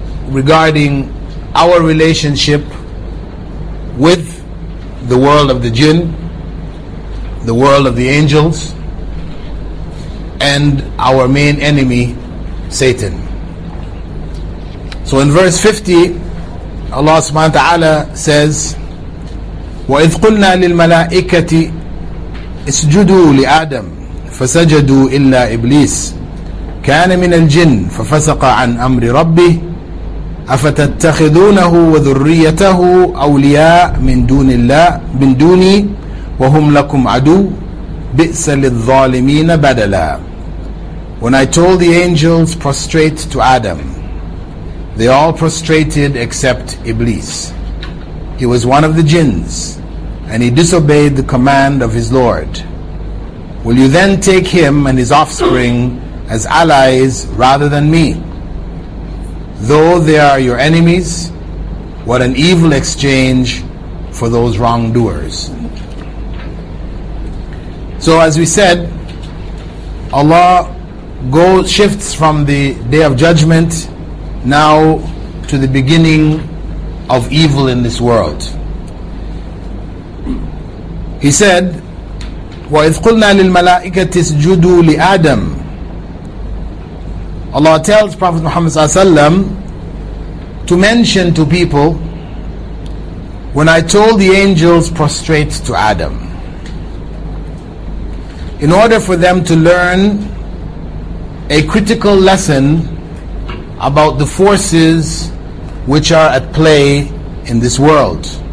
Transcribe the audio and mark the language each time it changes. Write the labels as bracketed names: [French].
[English] regarding our relationship with the world of the jinn, the world of the angels, and our main enemy, Satan. [Arabic] So in verse 50, Allah subhanahu wa ta'ala says, وَإِذْ قُلْنَا لِلْمَلَائِكَةِ اسْجُدُوا لِآدَمِ فَسَجَدُوا إِلَّا إِبْلِيسِ كَانَ مِنَ الْجِنِّ فَفَسَقَ عَنْ أَمْرِ رَبِّهِ أَفَتَتَّخِذُونَهُ وَذُرِّيَّتَهُ أَوْلِيَاءَ مِنْ دُونِ اللَّهِ مِنْ دُونِي وَهُمْ لَكُمْ عَدُوٌّ بِئْسَ لِلظَّالِمِينَ بَدَلًا. [English] When I told the angels, prostrate to Adam, they all prostrated except Iblis. He was one of the jinns, and he disobeyed the command of his Lord. Will you then take him and his offspring as allies rather than me? Though they are your enemies, what an evil exchange for those wrongdoers. So as we said, Allah shifts from the Day of Judgment now to the beginning of evil in this world. [Arabic] He said, وَإِذْ قُلْنَا لِلْمَلَائِكَةِ اسْجُدُوا لِآدَمِ. [English] Allah tells Prophet Muhammad Sallallahu Alaihi Wasallam to mention to people, when I told the angels, prostrate to Adam, in order for them to learn a critical lesson about the forces which are at play in this world,